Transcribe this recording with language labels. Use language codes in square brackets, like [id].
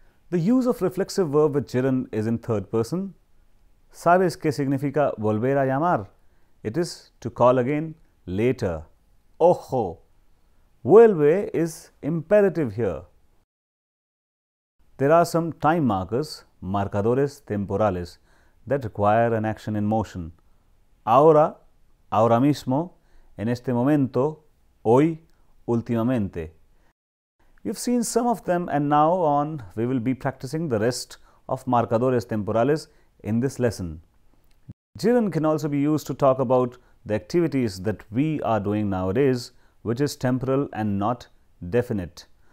[en] The use of reflexive verb with gerund is in third person. [es] ¿Sabes qué significa volver a llamar? [en] It is to call again later. Ojo. Vuelve is imperative here. There are some time markers, marcadores temporales that require an action in motion. [es] Ahora, ahora mismo, en este momento, hoy, últimamente. [en] You've seen some of them, and now on we will be practicing the rest of marcadores temporales in this lesson. Gerund can also be used to talk about the activities that we are doing nowadays, which is temporal and not definite.